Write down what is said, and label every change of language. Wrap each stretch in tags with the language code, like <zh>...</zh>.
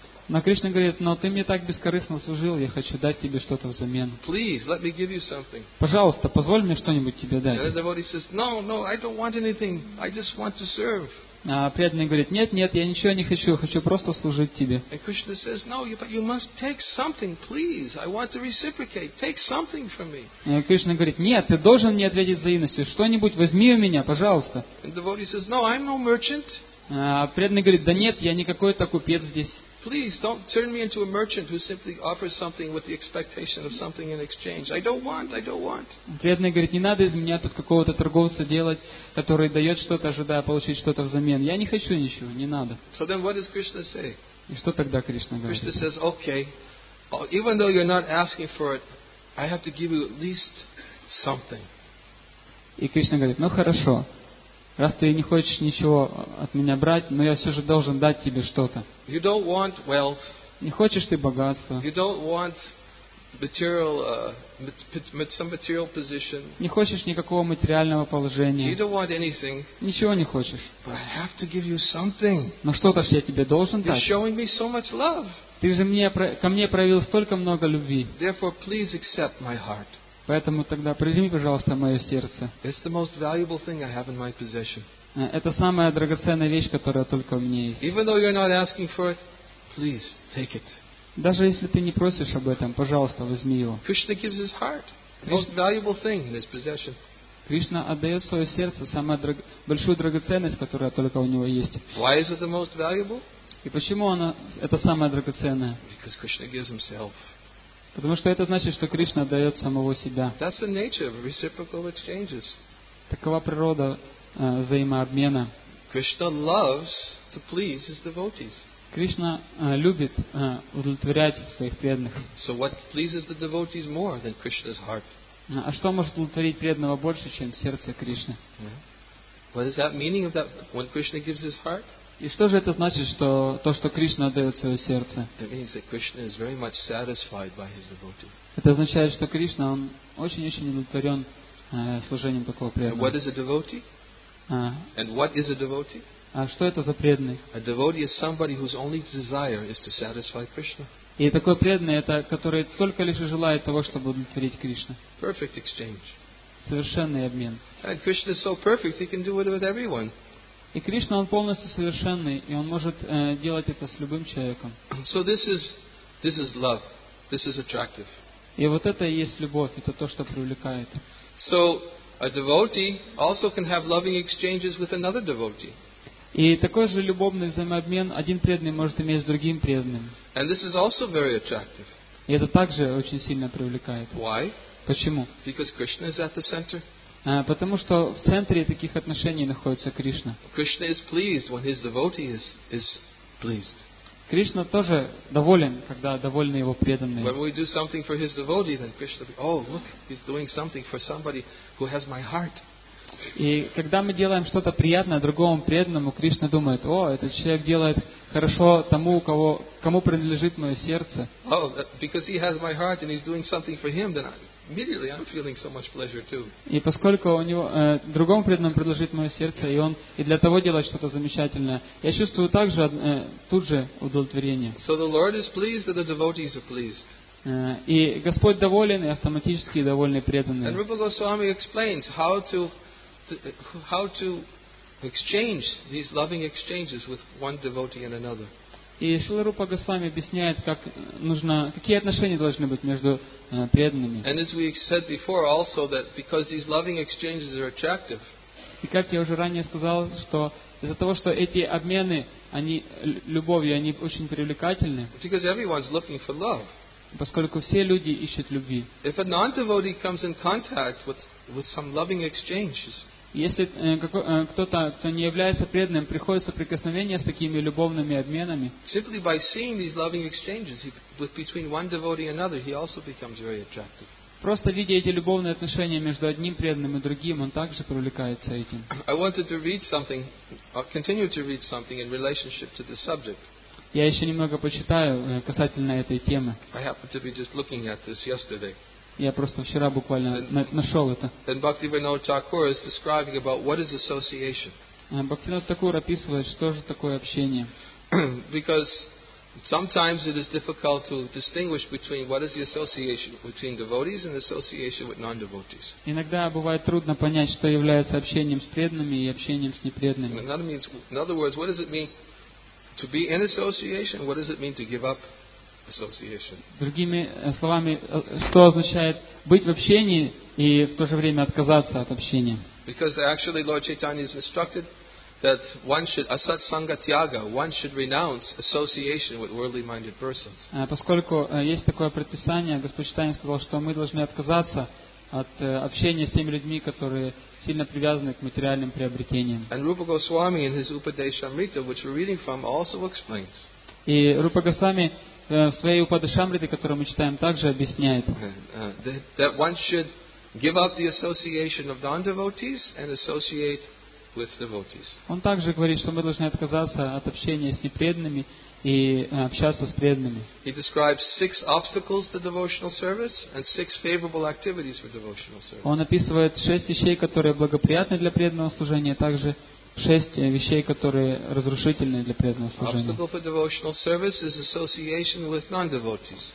<ru>Но Кришна говорит: но ты мне так бескорыстно служил, я хочу дать тебе что-то взамен.</ru> <en>Please, let me give you something.</en> <ru>Пожалуйста, позволь мне что-нибудь тебе дать.</ru> <en>And the devotee says, no, no, I don't want anything. I just want to serve.</en> <ru>А преданный говорит: нет, нет, я ничего не хочу, хочу просто служить тебе.</ru> <en>And Krishna says, no, but you must take something, please. I want to reciprocate. Take something from me.</en> <ru>И Кришна говорит: нет, ты должен мне ответить взаимностью. Что-нибудь возьми у меня, пожалуйста.</ru> <en>And the devotee says, no, I'm no merchant.</en> <ru>А преданный говорит: да нет, я не какой-то купец здесь.</ru> <en>Please don't turn me into a merchant who simply offers something with the expectation of something in exchange. I don't want.</en> <ru>Преданный говорит: не надо из меня тут какого-то торговца делать, который дает что-то, ожидая получить что-то взамен. Я не хочу ничего, не надо.</ru> <en>So then what does Krishna say?</en> <ru>И что тогда Кришна говорит?</ru> <en>Krishna says, okay, even though you're not asking for it, I have to give you at least something.</en> <ru>И Кришна говорит: ну хорошо. Раз ты не хочешь ничего от меня брать, но я все же должен дать тебе что-то.</ru> <en>You don't want wealth.</en> <ru>Не хочешь ты богатства.</ru> <en>You don't want material, some material position.</en> <ru>Не хочешь никакого материального положения.</ru> <en>You don't want anything.</en> <ru>Ничего не хочешь.</ru> <en>But I have to give you something.</en> <ru>Но что-то же я тебе должен дать.</ru> <en>You're showing me so much love.</en> <ru>Ты же ко мне проявил столько много любви.</ru> <en>Therefore, please accept my heart.</en> <ru>Поэтому тогда прими, пожалуйста, мое сердце.</ru> <en>It's the most valuable thing I have in my possession.</en> <ru>Это самая драгоценная вещь, которая только у меня есть.</ru> <en>Even though you're not asking for it, please take it.</en> <ru>Даже если ты не просишь об этом, пожалуйста, возьми его.</ru> <en>Krishna gives his heart, the most valuable thing in his possession.</en> <ru>Кришна отдает свое сердце, самую большую драгоценность, которая только у него есть.</ru> <en>Why is it the most valuable?</en> <ru>И почему она это самое драгоценное?</ru> <en>Because Krishna gives himself.</en> <ru>Потому что это значит, что Кришна дает самого себя.</ru> <en>That's the nature of reciprocal exchanges.</en> <ru>Такова природа взаимообмена.</ru> <en>Krishna loves to please his devotees.</en> <ru>Кришна любит удовлетворять своих преданных.</ru> <en>So what pleases the devotees more than Krishna's heart?</en> <ru>А что может удовлетворить преданного больше, чем сердце Кришны?</ru> <en>What is that meaning of that when Krishna gives his heart?</en> <ru>И что же это значит, что то, что Кришна отдает свое сердце?</ru> <en>It means that Krishna is very much satisfied by his devotee.</en> <ru>Это означает, что Кришна он очень-очень удовлетворен служением такого преданного.</ru> <en>What is a devotee? And what is a devotee?</en> <ru>А что это за преданный?</ru> <en>A devotee is somebody whose only desire is to satisfy Krishna.</en> <ru>И такой преданный, это который только лишь и желает того, чтобы удовлетворить Кришну.</ru> <en>Perfect exchange.</en> <ru>Совершенный обмен.</ru> <en>And Krishna is so perfect, he can do it with everyone.</en> <ru>И Кришна, он полностью совершенный, и он может делать это с любым человеком.</ru> <en>So this is love. This is attractive.</en> <ru>И вот это и есть любовь, это то, что привлекает.</ru> <en>So a devotee also can have loving exchanges with another devotee.</en> <ru>И такой же любовный взаимообмен один преданный может иметь с другим преданным.</ru> <en>And this is also very attractive.</en> <ru>И это также очень сильно привлекает.</ru> <en>Why?</en> <ru>Почему?</ru> <en>Because Krishna is at the center.</en> <ru>Потому что в центре таких отношений находится Кришна.</ru> <en>Krishna is pleased when his devotee is pleased.</en> <ru>Кришна тоже доволен, когда довольны его преданные.</ru> <en>When we do something for his devotee, then Krishna be, oh, look, he's doing something for somebody who has my heart.</en> <ru>И когда мы делаем что-то приятное другому преданному, Кришна думает, о, этот человек делает хорошо тому, кому принадлежит мое сердце.</ru> <en>Oh, because he has my heart and he's doing something for him, then immediately I'm feeling so much pleasure too.</en> <ru>И поскольку у него другому преданному принадлежит мое сердце, и он и для того делает что-то замечательное, я чувствую также тут же удовлетворение.</ru> <en>So the Lord is pleased that the devotees are pleased.</en> <ru>И Господь доволен, и автоматически довольны преданные.</ru> <en>And Rupa Goswami explains how to exchange these loving exchanges with one devotee and another.</en> <ru>И Шрила Рупа Госвами объясняет, как нужно, какие отношения должны быть между преданными.</ru> <en>And as we said before, also that because these loving exchanges are attractive.</en> <ru>И как я уже ранее сказал, что из-за того, что эти обмены, они любовью, они очень привлекательны.</ru> <en>Because everyone's looking for love.</en> <ru>Поскольку все люди ищут любви.</ru> <en>If a non-devotee comes in contact with some loving exchanges.</en> <ru>Если кто-то, кто не является преданным, приходит в соприкосновение с такими любовными обменами.</ru> <en>Simply by seeing these loving exchanges between one devotee and another, he also becomes very attractive.</en> <ru>Просто видя эти любовные отношения между одним преданным и другим, он также привлекается этим.</ru> <en>I wanted to read something, or continue to read something in relationship to this subject.</en> <ru>Я еще немного почитаю касательно этой темы.</ru> <en>I happened to be just looking at this yesterday.</en> <ru>Я просто вчера буквально нашел это.</ru> <en>Then Bhaktivinoda Thakur is describing about what is association.</en> <ru>Бхактивинода Такур описывает, что же такое общение.</ru> <en>Because sometimes it is difficult to distinguish between what is the association between devotees and association with non-devotees.</en> <ru>Иногда бывает трудно понять, что является общением с преданными и общением с непреданными.</ru> <en>In other words, what does it mean to be in association? What does it mean to give up?</en> <ru>Другими словами, что означает быть в общении и в то же время отказаться от общения?</ru> <en>Because actually Lord Chaitanya is instructed that one should asat sanga tyaga, one should renounce association with worldly minded persons.</en> <ru>Поскольку есть такое предписание, Господь Чайтанья сказал, что мы должны отказаться от общения с теми людьми, которые сильно привязаны к материальным приобретениям.</ru> <en>And Rupa Goswami in his Upadeshamrita, which we're reading from, also explains.</en> <ru>И Рупа Госвами в своей Упадешамрите, которую мы читаем, также объясняет,</ru> <en>that one should give up the association of non-devotees and associate with devotees.</en> <ru>Он также говорит, что мы должны отказаться от общения с непреданными и общаться с преданными.</ru> <en>He describes six obstacles to devotional service and six favorable activities for devotional service.</en> <ru>Он описывает шесть вещей, которые благоприятны для преданного служения, также шесть вещей, которые разрушительны для преданного служения.</ru>